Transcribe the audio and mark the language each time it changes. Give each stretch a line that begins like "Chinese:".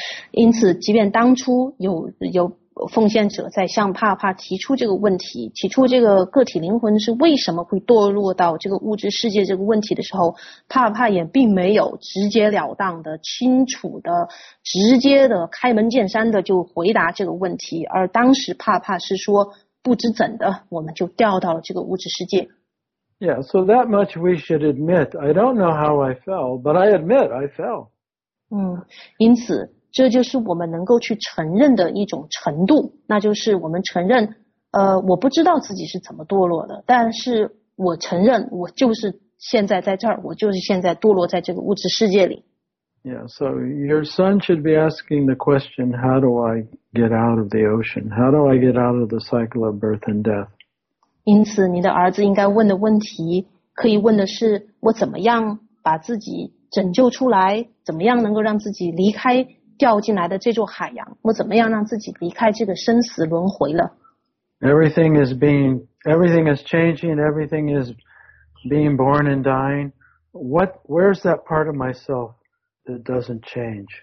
Chinese: 因此即便当初有奉献者在向帕帕提出这个问题，提出这个个体灵魂是为什么会堕落到这个物质世界这个问题的时候，帕帕也并没有直截了当的、清楚的、直接的、开门见山的就回答这个问题，而当时帕帕是说，不知怎的，我们就掉到了这个物质世界。
English: Yeah, so that much we should admit. I don't know how I fell, but I admit I fell.
Chinese: 因此这就是我们能够去承认的一种程度，那就是我们承认，我不知道自己是怎么堕落的，但是我承认我就是现在在这儿，我就是现在堕落在这个物质世界里。
English: Yeah, so your son should be asking the question, how do I get out of the ocean? How do I get out of the cycle of birth and death?
Chinese: 因此，你的儿子应该问的问题，可以问的是，我怎么样把自己拯救出来？怎么样能够让自己离开掉进来的这座海洋，我怎么样让自己离开这个生死轮回了？
English: Everything is changing, everything is being born and dying. Where's that part of myself that doesn't change?